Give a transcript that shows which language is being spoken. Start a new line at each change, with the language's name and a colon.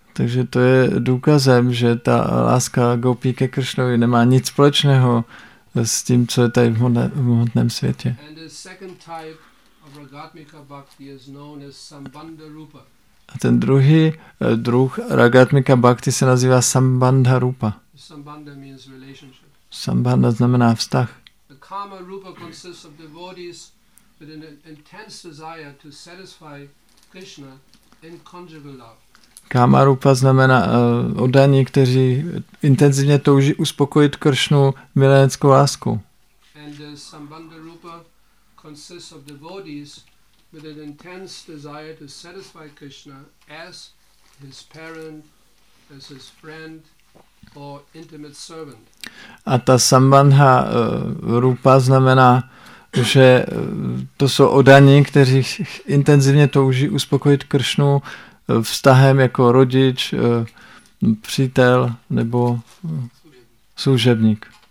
Czech: Takže to je důkazem, že ta láska gopí ke Kršnovi nemá nic společného s tím, co je tady v hmotném světě.
English: And the second type of ragatmika bhakti is known as sambandha rupa.
Czech: A ten druhý druh ragatmika bhakti se nazývá sambandha rupa.
English: Sambandha means relationship.
Czech: Sambandha znamená vztah.
English: The Kama Rupa consists of devotees with an intense desire to satisfy Krishna in conjugal love.
Czech: Kama Rupa znamená oddaní, kteří intenzivně touží uspokojit Kršnu mileneckou láskou.
English: And the Sambandha Rupa consists of devotees with an intense desire to satisfy Krishna as his parent, as his friend, or intimate servant.
Czech: A ta sambandha rupa znamená, že to jsou odaní, kteří intenzivně touží uspokojit Kršnu vztahem jako rodič, přítel nebo služebník.